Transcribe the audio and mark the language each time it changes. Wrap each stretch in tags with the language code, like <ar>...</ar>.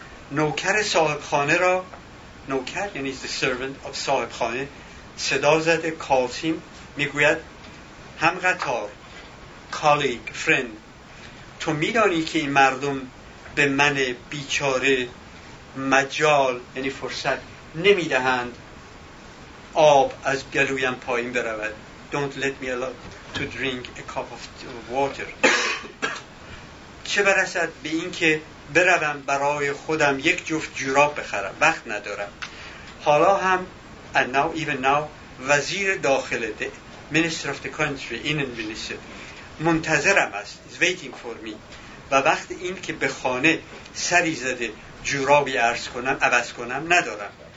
<fa>نوکر صاحب خانه را، نوکر یعنی</fa> <en>the servant of</en> <fa>صاحب خانه، صدا زده کالتیم میگوید هم قطار</fa> <en>colleague friend،</en> <fa>تو میدانی که این مردم به من بیچاره مجال یعنی فرصت نمیدهند آب از گلویم پایین برود.</fa> <en>don't let me allow to drink a cup of water.</en> <fa>چه برسد به این که بروم برای خودم یک جفت جوراب بخرم، وقت ندارم. حالا هم</fa> <en>and now even now</en> <fa>وزیر داخله</fa> <en>the minister of the country in and minister</en> <fa>منتظرم است،</fa> <en>is waiting for me،</en> <fa>و وقت این که به خانه سری زده جورابی عرض کنم عوض کنم ندارم.</fa>